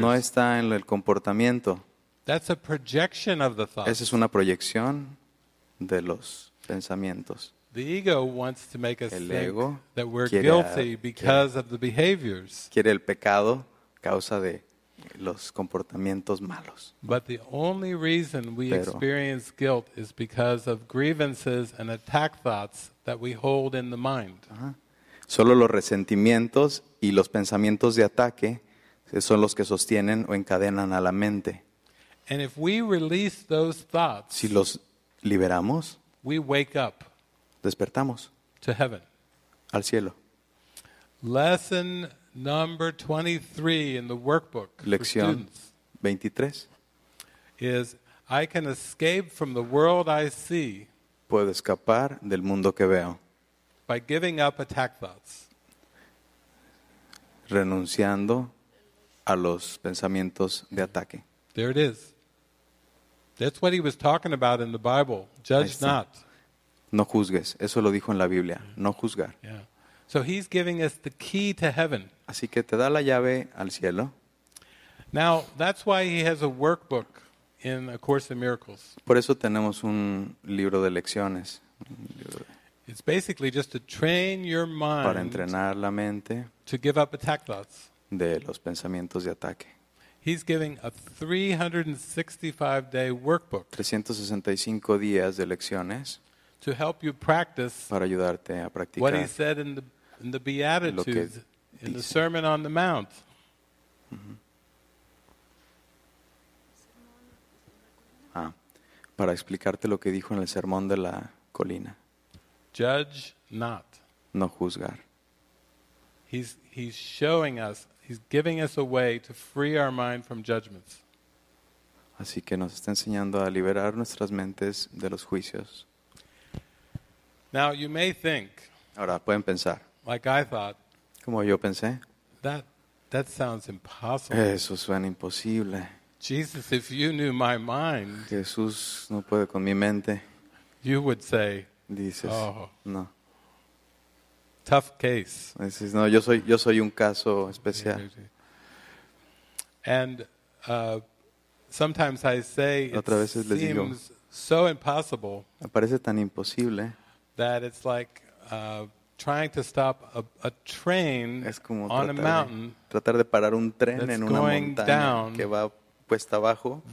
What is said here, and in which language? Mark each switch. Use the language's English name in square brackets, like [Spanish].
[Spanish] No está en el comportamiento. [English] That's a projection of the thoughts. [Spanish] Esa es una proyección de los pensamientos. [English] The ego wants to make us think that we're guilty because of the behaviors. [Spanish] Quiere el pecado causa de los comportamientos malos. [English] But the only reason we experience guilt is because of grievances and attack thoughts that we hold in the mind. [Spanish] Solo los resentimientos y los pensamientos de ataque son los que sostienen o encadenan a la mente. [English] And if we release those thoughts, [Spanish] si los liberamos, [English] we wake up. [Spanish] Despertamos [English] to heaven. [Spanish] Al cielo. [English] Lesson number 23 in the workbook. [Spanish] Lección [English] for students [Spanish] 23 [English] is I can escape from the world I see. [Spanish] Puedo escapar del mundo que veo. [English] By giving up attack thoughts. [Spanish] Renunciando a los pensamientos de ataque. [English] There it is. That's what he was talking about in the Bible. Judge not. [Spanish] No juzgues, eso lo dijo en la Biblia, no juzgar. [English] Yeah. So he's giving us the key to heaven. [Spanish] Así que te da la llave al cielo. [English] Now, that's why he has a workbook in A Course in Miracles. [Spanish] Por eso tenemos un libro de lecciones. [English] It's basically just to train your mind [Spanish] para entrenar la mente [English] to give up attack thoughts. [Spanish] de los pensamientos de ataque. [English] He's giving a 365-day workbook. [Spanish] 365 días de lecciones. [English] To help you practice. [Spanish] Para ayudarte a practicar. [English] What he said in the Beatitudes, in the Sermon on the Mount. Uh-huh. [Spanish] Ah, para explicarte lo que dijo en el Sermón de la Colina. [English] Judge not. [Spanish] No juzgar. [English] He's showing us. He's giving us a way to free our mind from judgments. [Spanish] Así que nos está enseñando a liberar nuestras mentes de los juicios. [English] Now you may think. [Spanish] Ahora pueden pensar. [English] Like I thought. [Spanish] Como yo pensé. [English] That sounds impossible. [Spanish] Eso suena imposible. [English] Jesus, if you knew my mind. [Spanish] Jesús, no puede con mi mente. [English] You would say. [Spanish] Dices. Oh. [English] No. Tough case. [Spanish] Dices, no, yo soy un caso especial. [English] And sometimes I say it seems [Spanish] digo, [English] so impossible. [Spanish] Me parece tan imposible. [English] That it's like trying to stop a train [Spanish] es como [English] on a mountain. [Spanish] Tratar de parar un tren en una montaña que va puesta abajo.